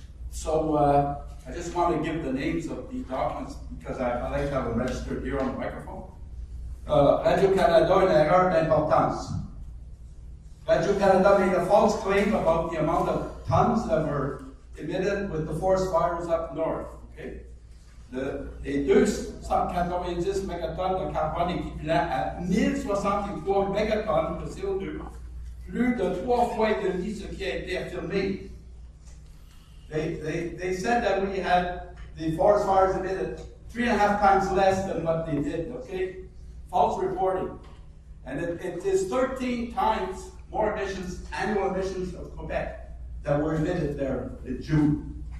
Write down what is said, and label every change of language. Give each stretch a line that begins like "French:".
English: So I just want to give the names of the documents because I like to have them registered here on the microphone. Radio-Canada,
French: une erreur d'importance.
English: Radio-Canada made a false claim about the amount of tons that were emitted with the forest fires up north. Okay.
French: Les 290 mégatonnes de carbone équivalent à 1063 mégatonnes de CO2, plus de trois fois et demi ce qui a été affirmé.
English: They said that we had the forest fires emitted 3.5 times less than what they did, okay? False reporting. And it is 13 times more emissions, annual emissions of Quebec that were emitted there in June.